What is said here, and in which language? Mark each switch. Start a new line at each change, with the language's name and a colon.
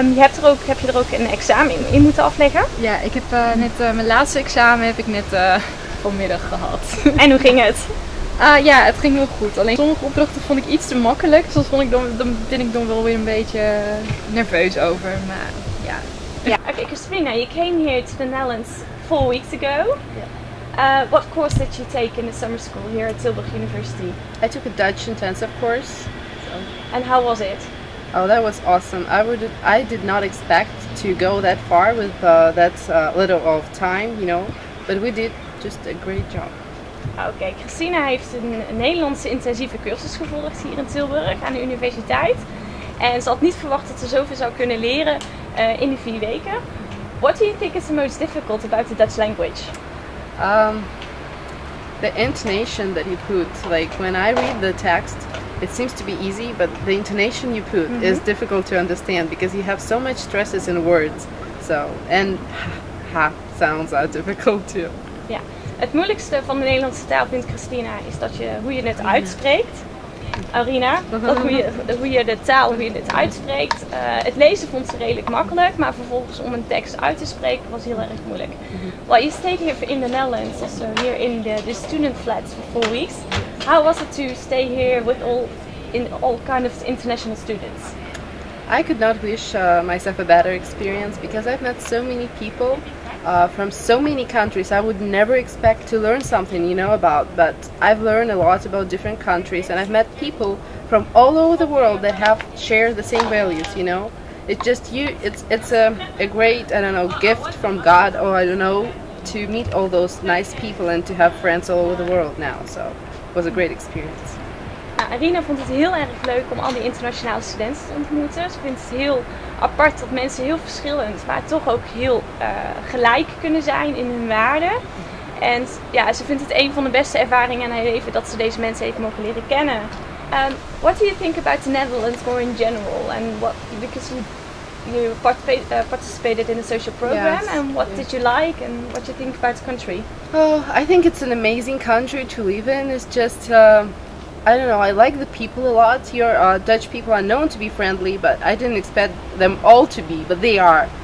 Dutch: En heb je er ook een examen in moeten afleggen? Ja, ik heb mijn laatste examen heb ik net vanmiddag gehad. En hoe ging het? Het ging wel goed. Alleen sommige opdrachten vond ik iets te makkelijk. Dus dan ben ik dan wel weer een beetje nerveus over. Maar ja. Ja.
English: Oké, okay, Christina, you came here to the Netherlands 4 weeks ago. Yeah. What course did you take in the summer school here at Tilburg University? I took a Dutch intensive course. So. And how was it? Oh, that was awesome. I did not expect to go that far with that little of time, you know. But we did just a great job. Oké, okay.
Dutch: Christina heeft een Nederlandse intensieve cursus gevolgd hier in Tilburg aan de universiteit. En ze had niet verwacht dat ze zoveel zou kunnen leren in de 4 weken.
English: What do you think is the most difficult about the Dutch language? The intonation that you put, like when I read the text, it seems to be easy, but the intonation you put mm-hmm. is difficult to understand because you have so much stresses in words. So, and ha sounds are difficult too. Yeah.
Dutch: Het moeilijkste van de Nederlandse taal, vindt Christina, is dat je hoe je het uitspreekt. Arina, dat hoe je de taal uitspreekt. Het lezen vond ze redelijk makkelijk, maar vervolgens om een tekst uit te spreken was heel erg moeilijk.
English: Well, you stayed here in the Netherlands, also here in the student flats for 4 weeks. How was it to stay here with all kind of international students? I could not wish myself a better experience because I've met so many people. From so many countries I would never expect to learn something, you know, about. But I've learned a lot about different countries and I've met people from all over the world that have shared the same values, you know. It's a great, I don't know, gift from God or I don't know, to meet all those nice people and to have friends all over the world now. So it was a great experience.
Dutch: Arina vond het heel erg leuk om al die internationale studenten te ontmoeten. Ze vindt het heel apart dat mensen heel verschillend, maar toch ook heel gelijk kunnen zijn in hun waarden. En ja, ze vindt het een van de beste ervaringen in haar leven dat ze deze mensen heeft mogen leren kennen.
English: What do you think about the Netherlands more in general? And what, because you you participated in a social program. Yes. And what did you like and what do you think about the country? Oh, I think it's an amazing country to live in. It's just, I don't know, I like the people a lot. Your Dutch people are known to be friendly, but I didn't expect them all to be, but they are.